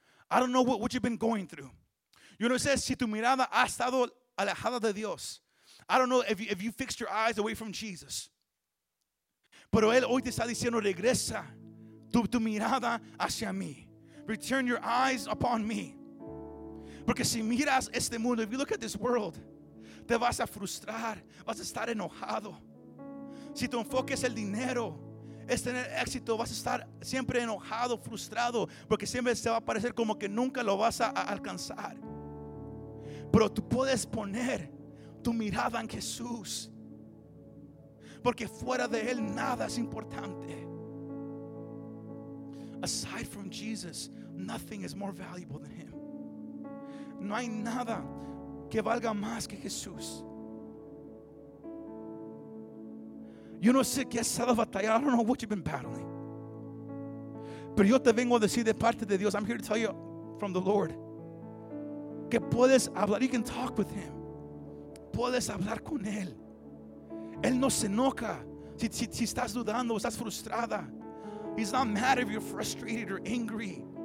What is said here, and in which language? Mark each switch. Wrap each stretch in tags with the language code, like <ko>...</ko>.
<en>I don't know what you've been going through.</en> <es>Yo no sé si tu mirada ha estado alejada de Dios.</es> <en>I don't know if you fixed your eyes away from Jesus.</en> <es>Pero Él hoy te está diciendo, regresa tu mirada hacia mí.</es> <en>Return your eyes upon me.</en> <es>Porque si miras este mundo,</es> <en>if you look at this world,</en> <es>te vas a frustrar, vas a estar enojado. Si tu enfoque es el dinero, es tener éxito, vas a estar siempre enojado, frustrado, porque siempre se va a parecer como que nunca lo vas a alcanzar. Pero tú puedes poner tu mirada en Jesús, porque fuera de Él nada es importante.</es> <en>Aside from Jesus, nothing is more valuable than Him.</en> <es>No hay nada que valga más que Jesús. Yo no sé qué has estado batallando.</es> <en>I don't know what you've been battling.</en> <es>Pero yo te vengo a decir de parte de Dios,</es> <en>I'm here to tell you from the Lord,</en> <es>que puedes hablar.</es> <en>You can talk with Him.</en> <es>Puedes hablar con Él. Él no se enoja si estás dudando o estás frustrada.</es> <en>He's not mad if you're frustrated or angry.</en>